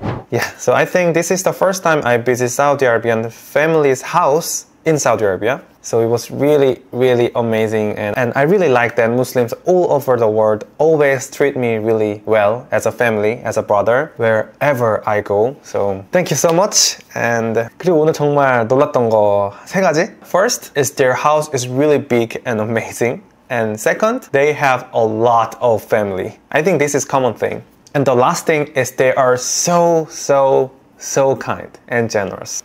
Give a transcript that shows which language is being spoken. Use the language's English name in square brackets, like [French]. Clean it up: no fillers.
[English] Yeah, so I think this is the first time I visit Saudi Arabian family's house in Saudi Arabia. So it was really, really amazing. And I really like that Muslims all over the world always treat me really well as a family, as a brother, wherever I go. So thank you so much. [Korean] And 그리고 오늘 정말 놀랐던 거 세 가지. [English] First is their house is really big and amazing. And second, they have a lot of family. I think this is a common thing. And the last thing is they are so kind and generous.